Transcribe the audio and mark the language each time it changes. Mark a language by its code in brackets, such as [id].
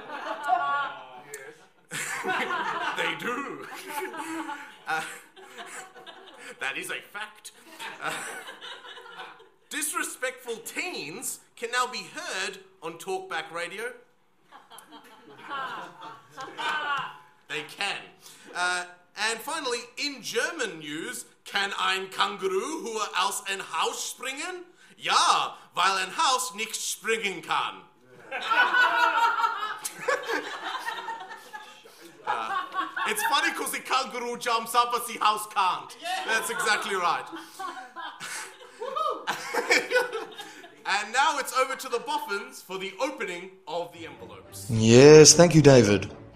[en] They do. That is a fact. Disrespectful teens can now be heard on talkback radio. They can. And finally, in German news, [de] can ein Känguru hua aus ein Haus springen? Ja, weil ein Haus nicht springen kann. [en] It's funny because the kangaroo jumps up but the house can't. Yeah. That's exactly right. And now it's over to the boffins for the opening of the envelopes. Yes, thank you, David.